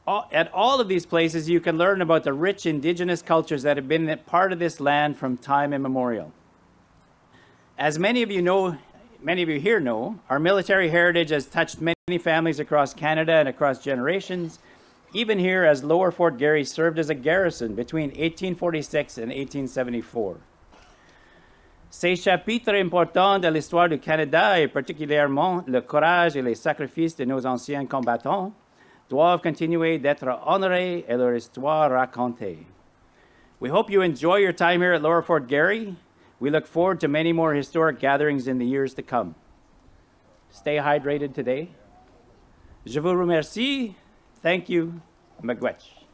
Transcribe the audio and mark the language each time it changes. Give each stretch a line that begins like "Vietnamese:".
English: At all of these places, you can learn about the rich Indigenous cultures that have been a part of this land from time immemorial. As many of you here know, our military heritage has touched many families across Canada and across generations, even here as Lower Fort Garry served as a garrison between 1846 and 1874.
French: Ces chapitres importants de l'histoire du Canada, et particulièrement le courage et les sacrifices de nos anciens combattants, doivent continuer d'être honorés et leur histoire racontée.
English: We hope you enjoy your time here at Lower Fort Garry. We look forward to many more historic gatherings in the years to come. Stay hydrated today.
French: Je vous remercie.
English: Thank you.
French: Magwetch.